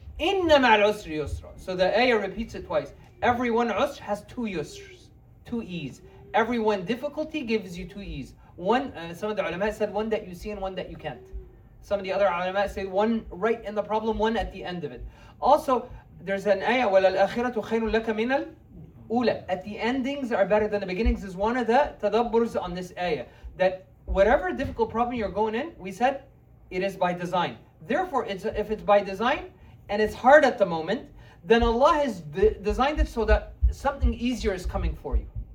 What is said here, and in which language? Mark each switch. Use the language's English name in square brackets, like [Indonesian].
[English] Innama al-usri yusra. So the ayah repeats it twice. Every one usr has two yusras, two ease. Every one difficulty gives you two ease. Some of the ulama said one that you see and one that you can't. Some of the other ulama say one right in the problem, one at the end of it. Also, there's an ayah, [Arabic] وَلَا الْأَخِرَةُ خَيْرٌ لَكَ مِنَ الْأُولَى. [English] At the endings are better than the beginnings is one of the tadabburs on this ayah. That whatever difficult problem you're going in, we said, it is by design. Therefore, if it's by design and it's hard at the moment, then Allah has designed it so that something easier is coming for you.